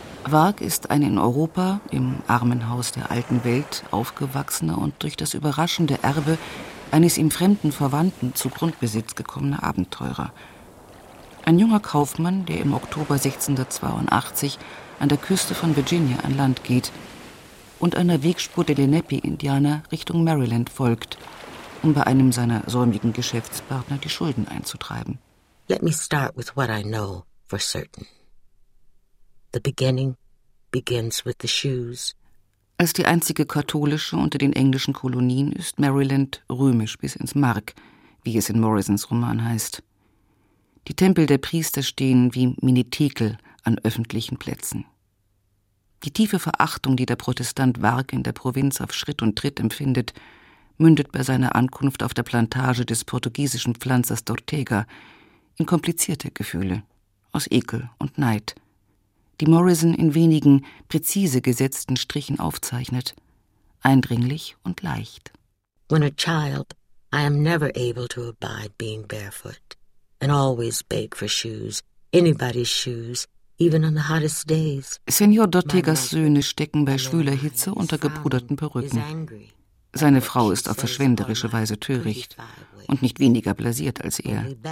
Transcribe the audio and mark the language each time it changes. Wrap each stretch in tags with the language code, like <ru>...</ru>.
<de>Varg ist ein in Europa, im Armenhaus der alten Welt, aufgewachsener und durch das überraschende Erbe eines ihm fremden Verwandten zu Grundbesitz gekommener Abenteurer. Ein junger Kaufmann, der im Oktober 1682 an der Küste von Virginia an Land geht und einer Wegspur der Lenape-Indianer Richtung Maryland folgt, um bei einem seiner säumigen Geschäftspartner die Schulden einzutreiben.</de> <en>Let me start with what I know for certain. The beginning begins with the shoes.</en> <de>Als die einzige katholische unter den englischen Kolonien ist Maryland römisch bis ins Mark, wie es in Morrisons Roman heißt. Die Tempel der Priester stehen wie Minitekel an öffentlichen Plätzen. Die tiefe Verachtung, die der Protestant Varg in der Provinz auf Schritt und Tritt empfindet, mündet bei seiner Ankunft auf der Plantage des portugiesischen Pflanzers D'Ortega in komplizierte Gefühle aus Ekel und Neid, die Morrison in wenigen, präzise gesetzten Strichen aufzeichnet, eindringlich und leicht.</de> <en>When a child, I am never able to abide being barefoot and always beg for shoes, anybody's shoes, even on the hottest days.</en> <de>Senor D'Ortegas Söhne stecken bei schwüler Hitze unter gepuderten Perücken. Seine Frau ist auf verschwenderische Weise töricht und nicht weniger blasiert als er.</de>